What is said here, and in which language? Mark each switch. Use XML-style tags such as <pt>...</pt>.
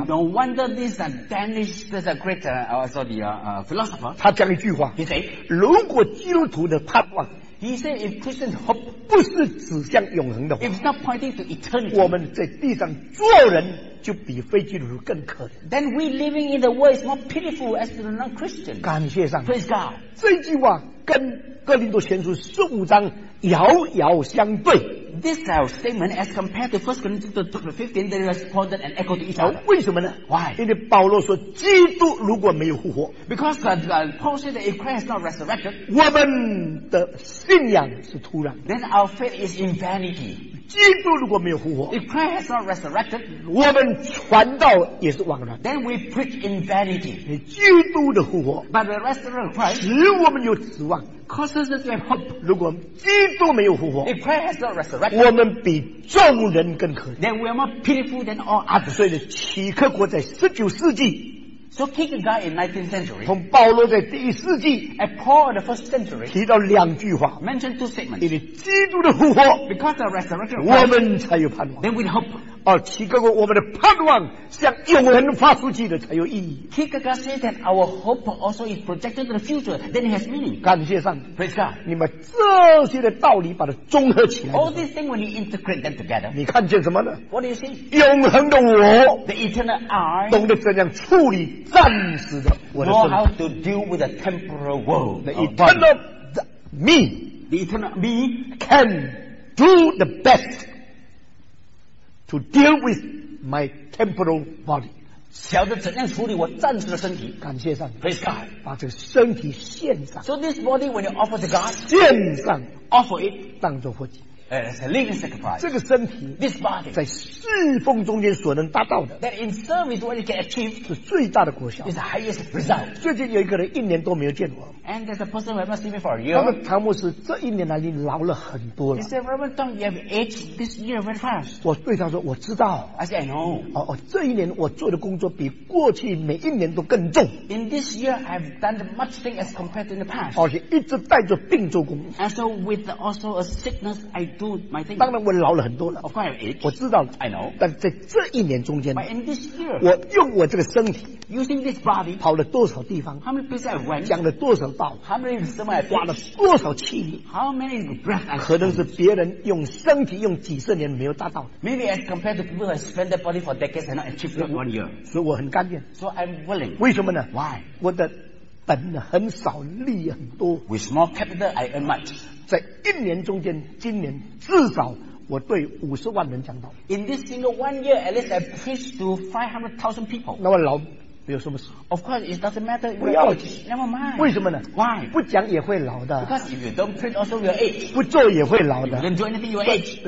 <en>No wonder this Danish this great philosopher</en> <zh>他讲一句话</zh> <en>He said</en> <zh>如果基督徒的盼望</zh> <en>He said if Christian hope</en> <zh>不是指向永恒的话</zh> <en>If not pointing to eternity</en> <zh>我们在地上做人就比非基督徒更可怜</zh> <en>Then we living in the world is more pitiful as to the non-Christian</en> <zh>感谢上帝</zh> <en>Praise God</en> <zh>这句话跟哥林多前书十五章遥遥相对。</zh> <en>This statement, as compared to 1 Corinthians chapter 15, they responded and echoed each other.</en> <zh>为什么呢</zh> <en>？Why？</en> <zh>因为保罗说，基督如果没有复活</zh> <en>，Because Paul said that if Christ is not resurrected，</en> <zh>我们的信仰是徒然。</zh> <en>Then our faith is in vanity。</en> <zh>基督如果没有复活</zh> <en>，If Christ has not resurrected，</en> <zh>我们传道也是枉然。</zh> <en>Then we preach in vanity。</en> <zh>基督的复活</zh> <en>，But the resurrection of Christ，</en> <zh>使我们有指望。</zh> <en>causes us to have hope</en> <zh>如果基督没有复活</zh> <en>if Christ has not resurrected</en> <zh>我们比众人更可怜</zh> <en>then we are more pitiful than all others</en> <zh>所以呢启克国在19世纪</zh> <en>so Kierkegaard in 19th century</en> <zh>从保罗在第一世纪</zh> <en>at Paul in the first century</en> <zh>提到两句话</zh> <en>mentioned two statements</en> <zh>因为基督的复活</zh> <en>because of resurrection</en> <zh>我们才有盼望</zh> <en>then we have hope</en> <zh>而启克国我们的盼望向永恒发出去的才有意义</zh> <en>Kierkegaard said that our hope also is projected to the future then it has meaning</en> <zh>感谢上帝</zh> <en>Praise God</en> <zh>你们这些的道理把它综合起来</zh> <en>All these things when you integrate them together</en> <zh>你看见什么呢</zh> <en>What do you see</en> <zh>永恒的我</zh> <en>The eternal I</en> <zh>懂得怎样处理暂时的我的生命</zh> <en>Know how to deal with the temporal world The eternal me The eternal me can do the bestTo deal with my temporal body.</en> <zh>晓得怎样处理我暂时的身体。感谢上帝。</zh> <en>Praise God.</en> <zh>把这个身体献上。</zh> <en>So this body, when you offer to God,</en> <zh>献上</zh> <en>offer it</en> <zh>当作活祭。</zh> <en>It's a living sacrifice.</en> <zh>这个身体</zh> <en>this body</en> <zh>在侍奉中间所能达到的</zh> <en>that in service what you can achieve</en> <zh>是最大的果效</zh> <en>is the highest result.</en> <zh>最近有一个人一年多没有见我。</zh> <en>And there's a person who haven't seen me for a year.</en> <zh>他们唐牧师这一年来你老了很多了。</zh> <en>He said, Reverend Tom, you have aged this year very fast.</en> <zh>我对他说我知道。</zh> <en>I said, I know.</en> <zh>这一年我做的工作比过去每一年都更重。</zh> <en>In this year, I've done much things as compared to in the past.</en> <zh>而且一直带着病做工。</zh> <en>And so with also a sickness, I do my thing.</en> <zh>当然我老了很多了。</zh> <en>Of course, I have age.</en> <zh>我知道了。</zh> <en>I know.</en> <zh>但在这一年中间，</zh> <en>But in this year,</en> <zh>我用我这个身体，</zh> <en>using this body,</en> <zh>跑了多少地方？</zh> <en>How many places I went?</en> <zh>讲了多少道？</zh> <en>How many sermons I preached?</en> <zh>花了多少气力？</zh> <en>How many breaths I took?</en> <zh>可能是别人用身体用几十年没有达到。</zh> <en>Maybe as compared to people who have spent their body for decades and not achieved it one year.</en> <zh>所以我很甘愿。</zh> <en>So I'm willing.</en> <zh>为什么呢？</zh> <en>Why?</en> <zh>我的本很少，利很多。</zh> <en>With small capital, I earn much.</en> <zh>在一年中间，今年至少我对五十万人讲道。</zh> <en>In this single one year, at least I preach to 500,000 people.</en> <zh>那么老有什么事？</zh> <en>Of course, it doesn't matter.</en> <zh>不要</zh> <en>紧。Never mind.</en> <zh>为什么呢？</zh> <en>Why?</en> <zh>不讲也会老的。</zh> <en>Because if you don't preach, also you age.</en> <zh>不做也会老的。</zh> <en>If you don't do anything, you age.</en>